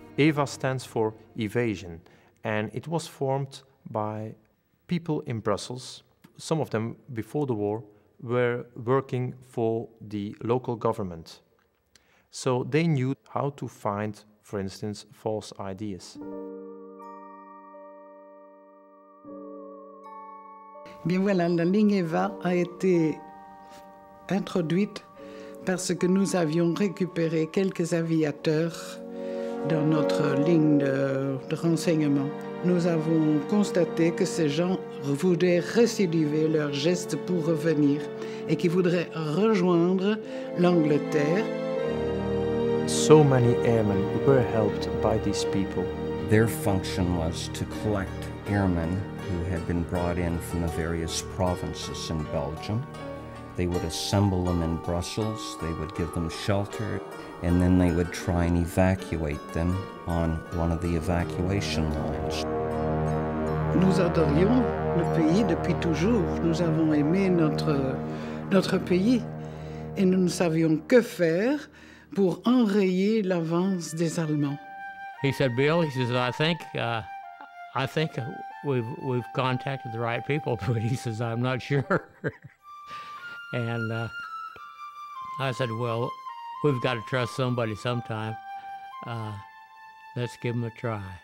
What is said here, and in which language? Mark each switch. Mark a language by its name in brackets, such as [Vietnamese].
[English] EVA stands for Evasion, and it was formed by people in Brussels, some of them before the war, were working for the local government. So they knew how to find, for instance, false IDs. [French] Bien voilà, la ligne EVA a été introduite parce que nous avions récupéré quelques aviateurs dans notre ligne de renseignement. Nous avons constaté que ces gens voudraient récidiver leur geste pour revenir et qu'ils voudraient rejoindre l'Angleterre. [English] So many airmen were helped by these people. Their function was to collect airmen who had been brought in from the various provinces in Belgium. They would assemble them in Brussels, they would give them shelter, and then they would try and evacuate them on one of the evacuation lines. [French] Nous adorions le pays depuis toujours. Nous avons aimé notre pays et nous ne savions que faire pour enrayer l'avance des Allemands. [English] He said, Bill, he says, I think we've contacted the right people, but he says, I'm not sure. And I said, well, we've got to trust somebody sometime. Let's give them a try.